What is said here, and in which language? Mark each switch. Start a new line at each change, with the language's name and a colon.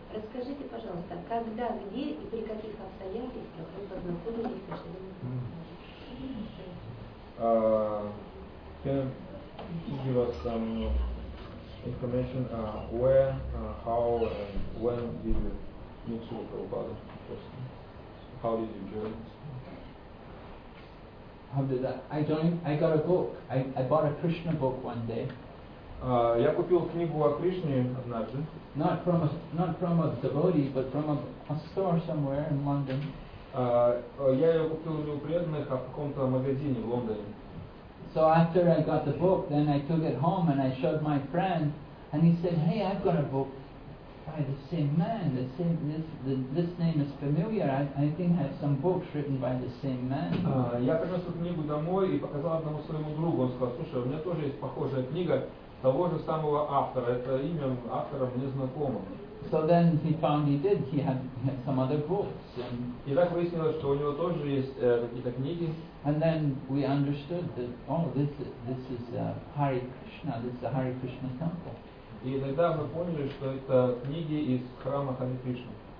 Russian: Скажите, пожалуйста, когда, где и при каких обстоятельствах вы познакомились с Шриле Прабхупадой?
English: Can you give us some information where, how, and when did you meet Srila Prabhupada personally? How did you join? How did I join? I got a book. I bought a Krishna book one day.
Russian: Я купил книгу о Кришне однажды.
English: Not from a devotee, but from a store somewhere in London.
Russian: Я ее купил не у преданных, а в каком-то магазине в Лондоне.
English: So after I got the book, then I took it home and I showed my friend, and he said, "Hey, I've got a book. identify the same man. The same this name is familiar. I think I have some books written by the same man.
Russian: Я принес эту книгу домой и показал одному своему другу. Он сказал: "Слушай, у меня тоже есть похожая книга того же самого автора. Это имя автора мне знакомо."
English: So then he found he did. He had some other books.
Russian: И так выяснилось, что у него тоже есть какие-то книги.
English: And then we understood that this is Hare Krishna. This is a Hare Krishna temple.
Russian: И тогда мы поняли, что это книги из храма Хари Кришны.